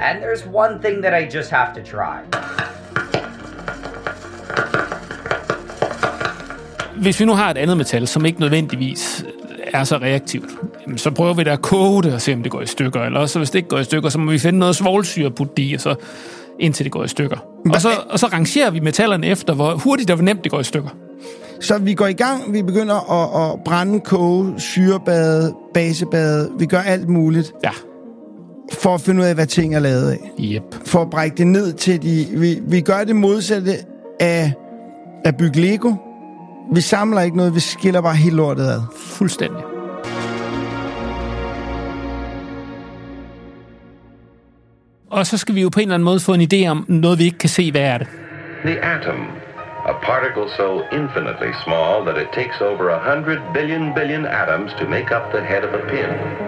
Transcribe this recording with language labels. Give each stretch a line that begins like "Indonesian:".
English: And there's one thing that I just have to try.
Danish: Hvis vi nu har et andet metal, som ikke nødvendigvis er så reaktivt, så prøver vi da at koge det og se, om det går i stykker. Eller også, hvis det ikke går i stykker, så må vi finde noget svovlsyre at putte i, indtil det går i stykker. Og så rangerer vi metallerne efter, hvor hurtigt og nemt det går i stykker. Så vi går i gang, vi begynder at brænde, koge, syrebade, basebade. Vi gør alt muligt. Ja. For at finde ud af, hvad ting er lavet af. Yep. For at brække det ned til de... Vi gør det modsatte af at bygge Lego. Vi samler ikke noget, vi skiller bare helt lortet ad. Fuldstændig. Og så skal vi jo på en eller anden måde få en idé om noget, vi ikke kan se, hvad er det.
English: The atom. A particle so infinitely small that it takes over 100 billion billion atoms to make up the head of a pin.